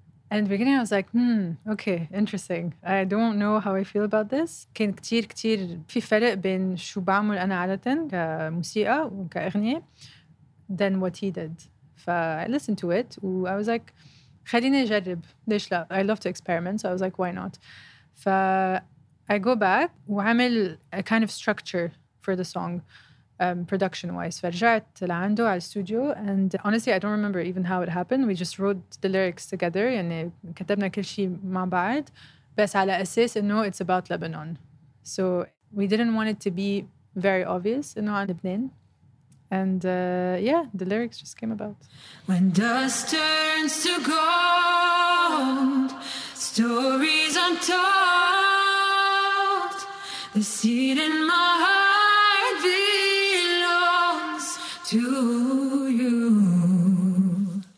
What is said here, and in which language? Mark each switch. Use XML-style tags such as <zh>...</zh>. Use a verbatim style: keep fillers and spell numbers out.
<en>And at the beginning I was like, hmm, okay, interesting. I don't know how I feel about this.</en> <ar>كان كتير كتير في فرق بين شو بعمل أنا عادة كموسيقى وكأغنية</ar> <en>than what he did. ف I listened to it و I was like,</en> <ar>خليني أجرب، ليش لا؟</ar> <en>I love to experiment, so I was like, why not? ف I go back</en> <ar>وعمل</ar> <en>a kind of structure for the song. um, production-wise.</en> <ar>فرجعت لعنده على الاستوديو</ar> <en>and honestly I don't remember even how it happened. We just wrote the lyrics together.</en> <ar>يعني كتبنا كل شيء مع بعض بس على أساس إنه</ar> <en>it's about Lebanon. So we didn't want it to be very obvious</en> <ar>إنه عن لبنان.</ar> <en>And uh, yeah, the lyrics just came about. When dust turns to gold, stories untold, the seed in my heart belongs to you.</en>